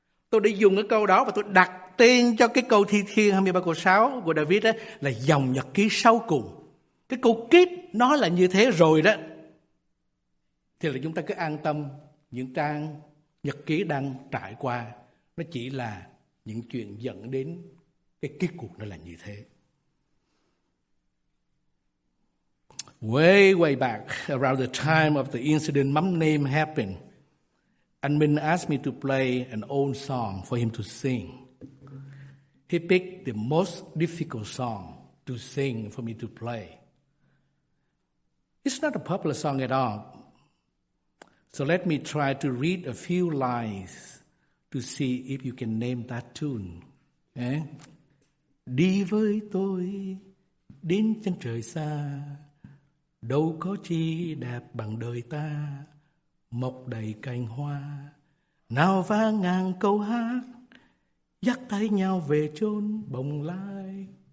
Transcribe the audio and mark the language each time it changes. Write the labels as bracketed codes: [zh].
[vi] Tôi đã dùng cái câu đó và tôi đặt tên cho cái câu thi thiên 23 câu 6 của David đó, là dòng nhật ký sau cùng. Cái câu kết nó là như thế rồi đó, thì là chúng ta cứ an tâm, những trang nhật ký đang trải qua nó chỉ là những chuyện dẫn đến cái kết cục nó là như thế. [en] Way way back around the time of the incident my name happened, and Min asked me to play an old song for him to sing. He picked the most difficult song to sing for me to play. It's not a popular song at all. So let me try to read a few lines to see if you can name that tune. Eh? [vi] Đi với tôi đến chân trời xa, đâu có chi đẹp bằng đời ta. Mọc đầy cành hoa, nào vang ngàn câu hát, dắt tay nhau về chốn bồng lai.